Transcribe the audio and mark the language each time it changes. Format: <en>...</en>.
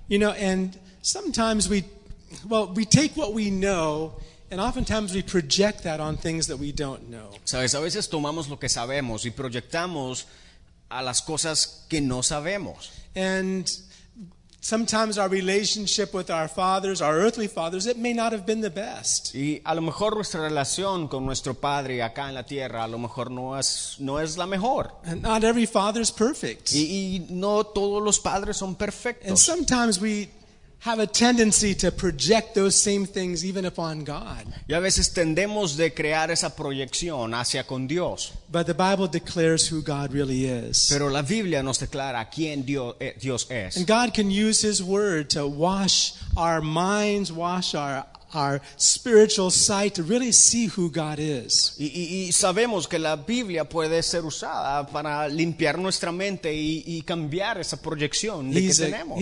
<en>You know, and sometimes we take what we know, and oftentimes we project that on things that we don't know.</en> <es>Sabes, a veces tomamos lo que sabemos y proyectamos a las cosas que no sabemos.</es> <en>And sometimes our relationship with our fathers, our earthly fathers, it may not have been the best.</en> <es>Y a lo mejor nuestra relación con nuestro padre acá en la tierra, a lo mejor no es la mejor.</es> <en>And not every father is perfect.</en> <es>Y no todos los padres son perfectos.</es> <en>And sometimes we have a tendency to project those same things even upon God.</en> <es>Y a veces tendemos de crear esa proyección hacia con Dios.</es> <en>But the Bible declares who God really is.</en> <es>Pero la Biblia nos declara quién Dios es.</es> <en>And God can use His Word to wash our minds, wash our spiritual sight, to really see who God is.</en> <es>Y sabemos que la Biblia puede ser usada para limpiar nuestra mente y cambiar esa proyección de que tenemos.</es>